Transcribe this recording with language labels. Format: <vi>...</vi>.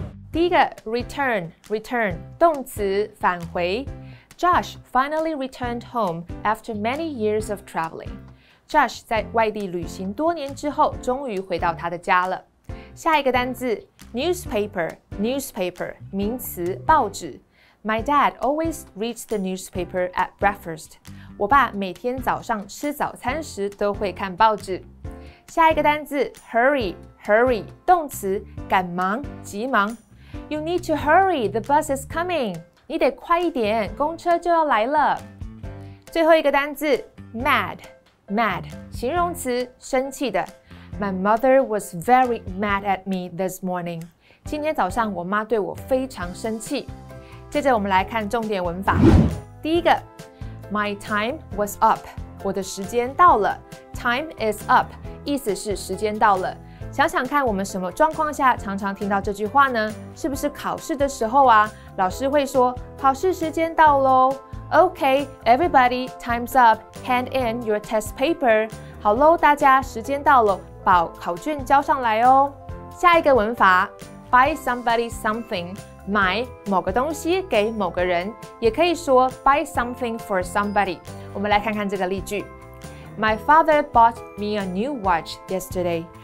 <zh>第一个 return 动词返回。</zh> <en>Josh finally returned home after many years of traveling.</en> <zh>Josh 在外地旅行多年之后终于回到他的家了。下一个单字 newspaper 名词报纸。</zh> <en>My dad always reads the newspaper at breakfast.</en> <zh>我爸每天早上吃早餐时都会看报纸。下一个单字 hurry 动词赶忙急忙。</zh> <en>You need to hurry, the bus is coming.</en> <zh>你得快一点，公车就要来了。最后一个单字 mad 形容词生气的。</zh> <en>My mother was very mad at me this morning.</en> <zh>今天早上我妈对我非常生气。接着我们来看重点文法。第一个</zh> <en>My time was up,</en> <zh>我的时间到了。</zh> <en>Time is up,</en> <zh>意思是时间到了。想想看我们什么状况下常常听到这句话呢？是不是考试的时候啊，老师会说考试时间到咯。</zh> <en>OK, everybody, time's up, hand in your test paper.</en> <zh>好咯，大家时间到了，把考卷交上来哦。下一个文法</zh> <en>Buy somebody something,</en> <zh>买某个东西给某个人，也可以说</zh> <en>buy something for somebody。</en> <zh>我们来看看这个例句。</zh> <en>My father bought me a new watch yesterday.</en>